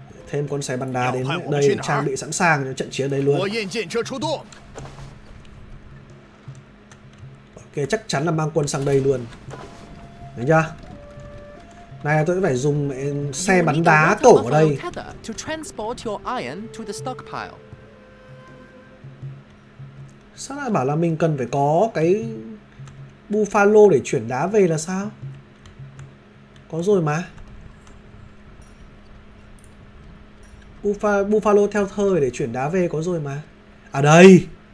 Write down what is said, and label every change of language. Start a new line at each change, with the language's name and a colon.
Vietnamese: thêm con xe bắn đá đến đây trang bị sẵn sàng cho trận chiến đấy luôn. Hỏa Yên Diện Trơ Chu Đô. Ok, chắc chắn là mang quân sang đây luôn. Đấy chưa? Này tôi phải dùng xe bắn đá cổ ở đây.
English: To transport your iron to the stockpile.
Vietnamese: Sao lại bảo là mình cần phải có cái Buffalo để chuyển đá về là sao? Có rồi mà. Buffalo theo thời để chuyển đá về có rồi mà. À đây.